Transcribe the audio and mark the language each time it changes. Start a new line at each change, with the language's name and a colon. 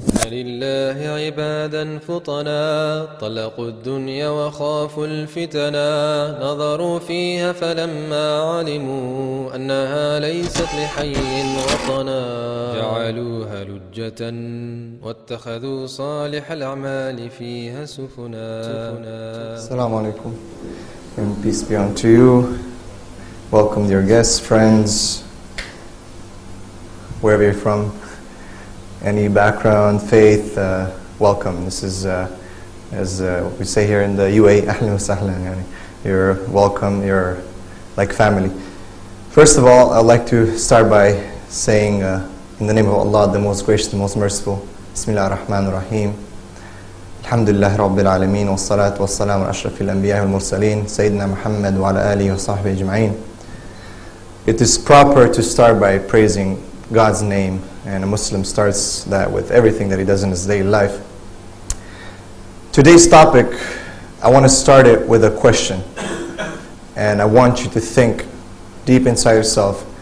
Arabic: لله عبادا فطنا طلقوا الدنيا وخافوا الفتنا نظروا فيها فلما علموا أنها ليست لحي وطنا جعلوها لجة واتخذوا صالح الأعمال فيها سفنا. السلام عليكم.
English: And peace be unto you. Welcome your guests, friends, wherever you're from, any background, faith, welcome. This is, as we say here in the UAE,
Arabic: أهلا وسهلا,
English: you're welcome, you're like family. First of all, I'd like to start by saying, in the name of Allah, the most gracious, the most merciful,
Arabic: Bismillah ar-Rahman ar-Rahim. الحمد لله رب العالمين والصلاة والسلام على أشرف الأنبياء والمرسلين سيدنا محمد وعلى آله وصحبه أجمعين.
English: It is proper to start by praising God's name, and a Muslim starts that with everything that he does in his daily life. Today's topic, I want to start it with a question, and I want you to think deep inside yourself.